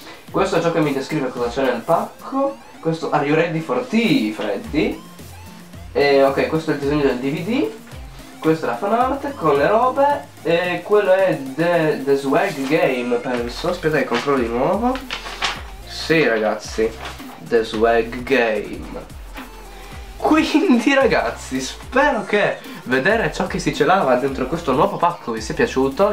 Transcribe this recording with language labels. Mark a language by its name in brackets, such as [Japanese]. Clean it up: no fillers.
[Italian] Questo è ciò che mi descrive cosa c'è nel pacco. Questo [English] Are you ready for tea, Freddy? [Italian] E ok, questo è il disegno del DVD. Questa è la fanart con le robe. E quello è the Swag Game, penso. Aspetta che controllo di nuovo. Sì, ragazzi, The Swag Game. Quindi, ragazzi, spero che vedere ciò che si celava dentro questo nuovo pacco vi sia piaciuto.